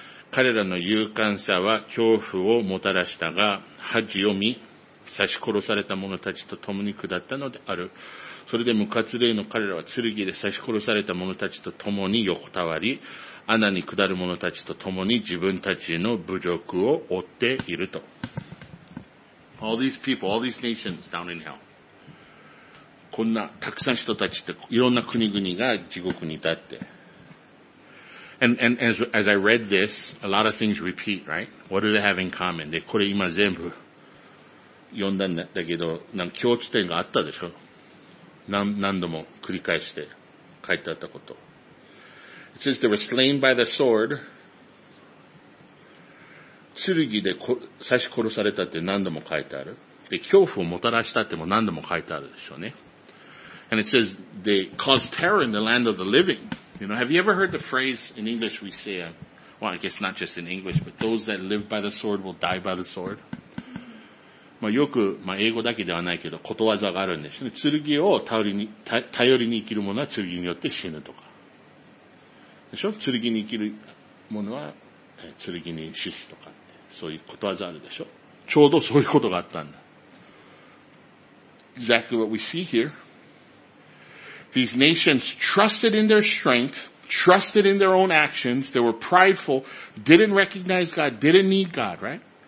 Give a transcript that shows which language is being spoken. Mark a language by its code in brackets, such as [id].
[ja] 彼らの勇敢さは恐怖をもたらしたが、恥を見、刺し殺された者たちと共に下ったのである。それで無活霊の彼らは剣で刺し殺された者たちと共に横たわり、穴に下る者たちと共に自分たちの侮辱を負っていると。 [en] All these people, all these nations down in hell. [ja] こんなたくさん人たちって、いろんな国々が地獄にいたって。 [en] And as I read this, a lot of things repeat, right? What do they have in common? で、 [ja] これ今全部。読んだんだけど、なんか共通点があったでしょ。何度も繰り返して書いてあったこと。 [en] It says they were slain by the sword. [ja] 剣で刺し殺されたって何度も書いてある。で、恐怖をもたらしたっても何度も書いてあるでしょうね。 [en] And it says they caused terror in the land of the living. You know, have you ever heard the phrase in English we say, well, I guess not just in English, but those that live by the sword will die by the sword. [ja] まあよく、まあ英語だけではないけど、ことわざがあるんですね。剣を頼りに生きる者は剣によって死ぬとか。でしょ？剣に生きる者は剣に死すとかって。そういうことわざあるでしょ？ちょうどそういうことがあったんだ。 [en] Exactly what we see here. These nations trusted in their strength, trusted in their own actions, they were prideful, didn't recognize God, didn't need God, right?